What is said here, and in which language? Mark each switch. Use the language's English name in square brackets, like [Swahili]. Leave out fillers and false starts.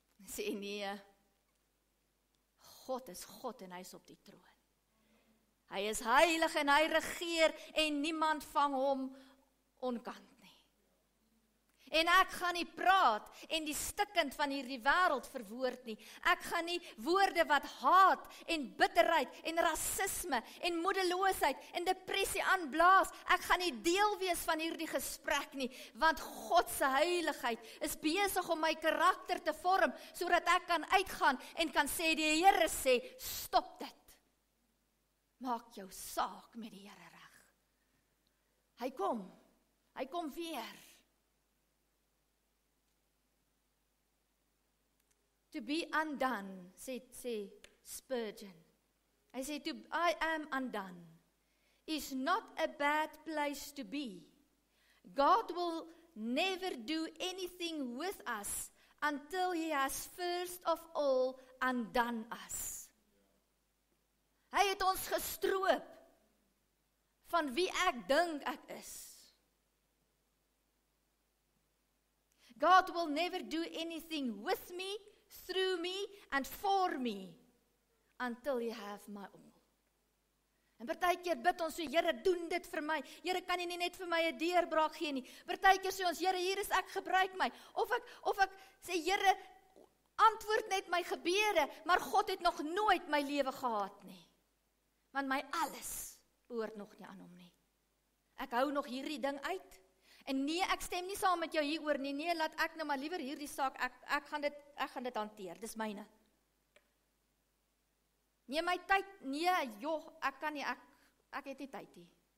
[Afrikaans] Sê nee, God is God en hy is op die troon. Hy is heilig en hy regeer en niemand vang hom onkant. En ek gaan nie praat en die stikkend van hierdie wêreld verwoord nie. Ek gaan nie woorde wat haat en bitterheid en rasisme en moedeloosheid en depressie aanblaas. Ek gaan nie deel wees van hierdie gesprek nie, want God se heiligheid is besig om my karakter te vorm, sodat ek kan uitgaan en kan sê, die Here sê, stop dit. Maak jou saak met die Here reg. Hy kom weer. [English] To be undone, sê Spurgeon. [Afrikaans] Hy sê, [English] I am undone, is not a bad place to be. God will never do anything with us until he has first of all undone us. [Afrikaans] Hy het ons gestroop van wie ek dink ek is. [English] God will never do anything with me, through me and for me until you have my all. [Afrikaans] En partykeer bid ons so, Here, doen dit vir my. Here, kan jy nie net vir my 'n deurbraak gee nie. Partykeer sê ons, Here, hier is ek, gebruik my. Of ek sê, Here, antwoord net my gebede, maar God het nog nooit my lewe gehaat nie. Want my alles behoort nog nie aan hom nie. Ek hou nog hierdie ding uit. En nee, ek stem nie saam met jou hieroor nie. Nee, laat ek nou maar liever hierdie saak, ek gaan dit hanteer, dis myne. Nee, my tyd, nee, joh, ek kan nie, ek het nie tyd nie.